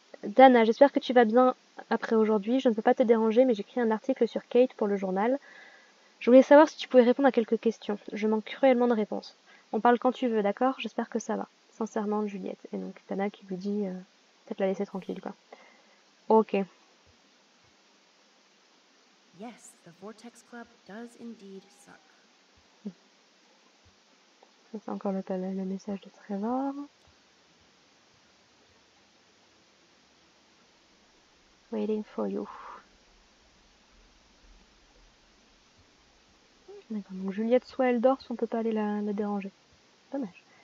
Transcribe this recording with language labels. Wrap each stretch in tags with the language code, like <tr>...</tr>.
<fr>Dana, j'espère que tu vas bien après aujourd'hui. Je ne peux pas te déranger, mais j'écris un article sur Kate pour le journal. Je voulais savoir si tu pouvais répondre à quelques questions. Je manque cruellement de réponses. On parle quand tu veux, d'accord? J'espère que ça va. Sincèrement, Juliette. Et donc, Dana qui lui dit peut-être la laisser tranquille, quoi. Ok.</fr> <en>Yes, the Vortex Club does indeed suck.</en> <fr>Ça, c'est encore le message de Trevor.</fr> <en>Waiting for you.</en> <fr>D'accord, donc Juliette, soit elle dort, soit on peut pas aller la déranger. Dommage.</fr>